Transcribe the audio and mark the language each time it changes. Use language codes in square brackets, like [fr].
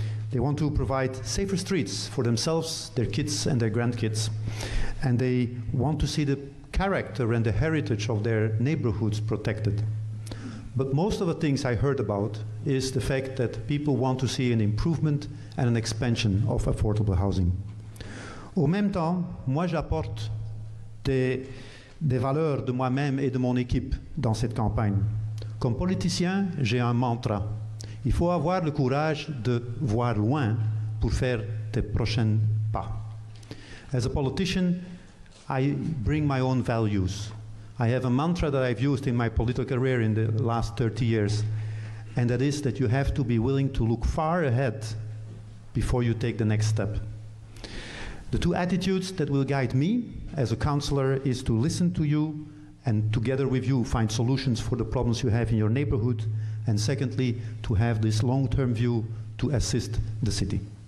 [en] They want to provide safer streets for themselves, their kids, and their grandkids. And they want to see the character and the heritage of their neighborhoods protected. But most of the things I heard about is the fact that people want to see an improvement and an expansion of affordable housing. [fr] Au même temps, moi j'apporte des valeurs de moi-même et de mon équipe dans cette campagne. Comme politicien, j'ai un mantra. Il faut avoir le courage de voir loin pour faire tes prochains pas. [en] As a politician, I bring my own values. I have a mantra that I've used in my political career in the last 30 years, and that is that you have to be willing to look far ahead before you take the next step. The two attitudes that will guide me as a councillor is to listen to you and together with you find solutions for the problems you have in your neighborhood, and secondly, to have this long-term view to assist the city.